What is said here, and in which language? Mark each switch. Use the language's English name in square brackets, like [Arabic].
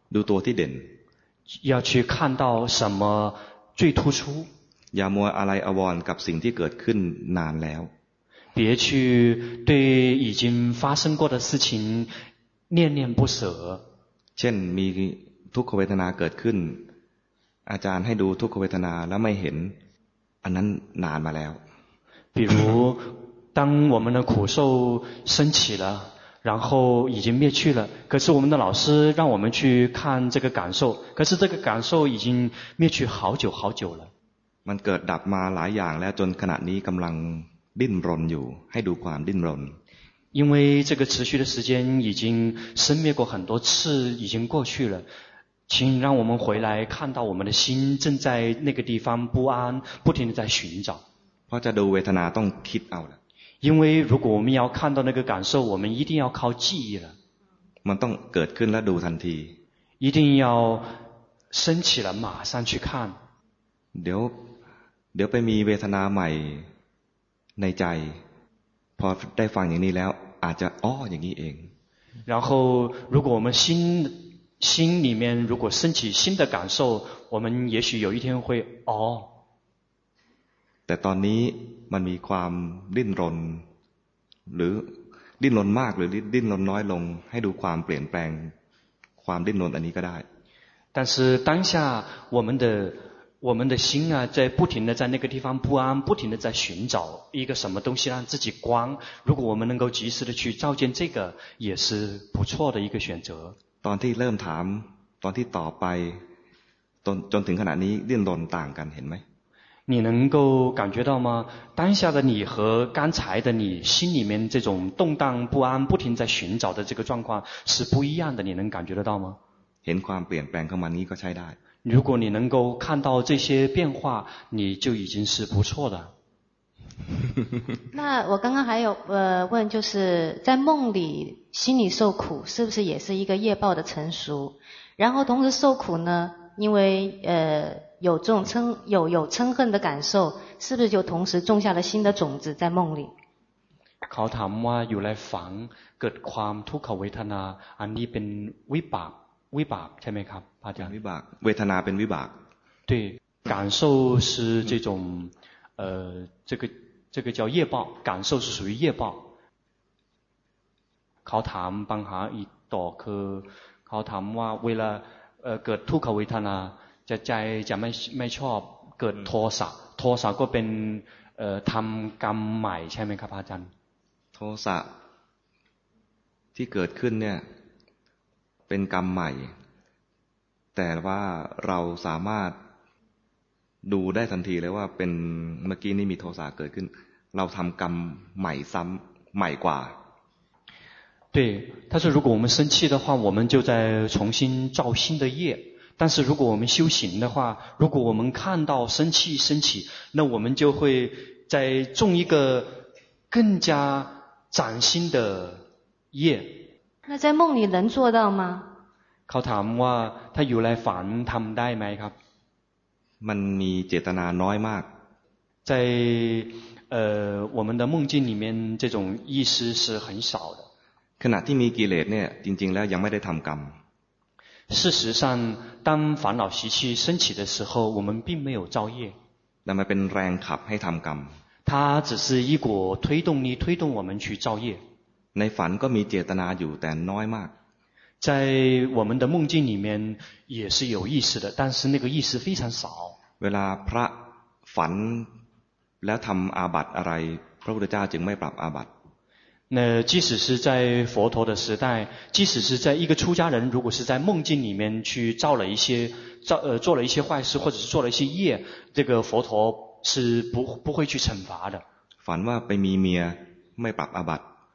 [Thai] ดูตัวที่เด่น [Chinese] 要去看到什么最突出 [Thai] อย่ามัวอะไรอวรกับสิ่งที่เกิดขึ้นนานแล้ว [Chinese] 别去对已经发生过的事情念念不舍 [Thai] เช่นมีทุกขเวทนาเกิดขึ้นอาจารย์ให้ดูทุกขเวทนาแล้วไม่เห็นอันนั้นนานมาแล้ว [Chinese] 比如当我们的苦受升起了然后已经灭去了，可是我们的老师让我们去看这个感受，可是这个感受已经灭去好久好久了。 [Thai] มันเกิดดับมาหลายอย่างแล้วจนขณะนี้กำลังดิ้นรนอยู่ให้ดูความดิ้นรน [Chinese] 因为这个持续的时间已经生灭过很多次，已经过去了，请让我们回来看到我们的心正在那个地方不安，不停地在寻找。 [Thai] เพราะจะดูเวทนาต้องคิดเอาละ [Chinese] 因为如果我们要看到那个感受，我们一定要靠记忆了。 [Thai] มันต้องเกิดขึ้นแล้วดูทันที [Chinese] 一定要升起了马上去看。 [Thai] เดี๋ยวไปมีเวทนาใหม่ในใจพอได้ฟังอย่างนี้แล้วอาจจะอ้ออย่างนี้เอง [Chinese] 然后如果我们心里面如果升起新的感受，我们也许有一天会哦。 [Thai] แต่ตอนนี้มันมีความดิ้นรนหรือดิ้นรนมากหรือดิ้นรนน้อยลงให้ดูความเปลี่ยนแปลงความดิ้นรนอันนี้ก็ได้ [Chinese] 但是当下我们的心啊在不停的在那个地方不安不停的在寻找一个什么东西让自己光如果我们能够及时的去照见这个也是不错的一个选择 [Thai] ตอนที่เริ่มถามตอนที่ต่อไปจนถึงขณะนี้ดิ้นรนต่างกันเห็นไหม [Chinese] 你能够感觉到吗？当下的你和刚才的你心里面这种动荡不安、不停在寻找的这个状况是不一样的，你能感觉得到吗？ [Thai] เห็นความเปลี่ยนแปลงเข้ามานี้ก็ใช้ได้。 [Chinese] 如果你能够看到这些变化，你就已经是不错的。那我刚刚还有问，就是在梦里心里受苦，是不是也是一个业报的成熟？然后同时受苦呢，因为有这种有嗔恨的感受，是不是就同时种下了新的种子在梦里？ [Thai] เขาถามว่าอยู่ในฝันเกิดความทุกขเวทนาอันนี้เป็นวิบากใช่ไหมครับอาจารย์ วิบากเวทนาเป็นวิบาก [Chinese] 对感受是这种这个叫业报感受是属于业报 [Thai] เขาถามปัญหาอีกต่อคือเขาถามว่าเวลาเกิดทุกขเวทนาจะใจจะไม่ชอบเกิดโทสะโทสะก็เป็นทำกรรมใหม่ใช่ไหมครับอาจารย์โทสะที่เกิดขึ้นเนี่ยเป็นกรรมใหม่แต่ว่าเราสามารถดูได้ทันทีเลยว่าเป็นเมื่อกี้นี่มีโทสะเกิดขึ้นเราทำกรรมใหม่ซ้ำใหม่กว่า [Chinese] 对但是如果我们生气的话我们就在重新造新的业但是如果我们修行的话如果我们看到生气那我们就会再种一个更加崭新的业那在梦里能做到吗靠他们话他有来烦他们带吗他们没解答那么多在我们的梦境里面这种意识是很少的 [Thai] ขณะที่มีกิเลสเนี่ยจริงๆแล้วยังไม่ได้ทำกรรม [Chinese] 事实上当烦恼习气升起的时候我们并没有造业 [Thai] 那么เป็นแรงขับให้ทำกรรม [Chinese] 它只是一股推动力推动我们去造业 [Thai] ในฝันก็มีเจตนาอยู่แต่น้อยมาก [Chinese] 在我们的梦境里面也是有意识的但是那个意识非常少 [Thai] เวลาพระฝันแล้วทำอาบัติอะไรพระพุทธเจ้าจึงไม่ปรับอาบัติ [Chinese] 那即使是在佛陀的时代，即使是在一个出家人，如果是在梦境里面去做了一些坏事，或者是做了一些业，这个佛陀是不会去惩罚的。反话被咪咪啊，没把阿巴。